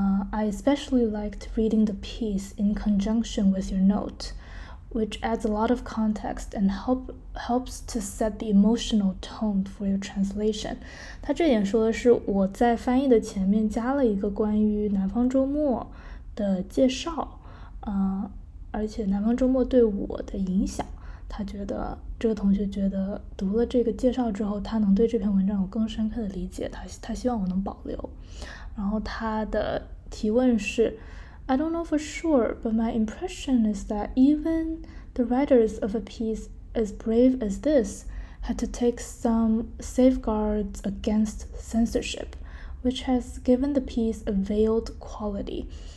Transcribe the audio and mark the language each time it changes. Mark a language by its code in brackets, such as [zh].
[en] I especially liked reading the piece in conjunction with your note, which adds a lot of context and helps to set the emotional tone for your translation。 [zh] 他这点说的是我在翻译的前面加了一个关于南方周末的介绍，而且南方周末对我的影响，他觉得这个同学觉得读了这个介绍之后，他能对这篇文章有更深刻的理解，他希望我能保留。然后他的提问是， [en] I don't know for sure, but my impression is that even the writers of a piece as brave as this had to take some safeguards against censorship, which has given the piece a veiled quality.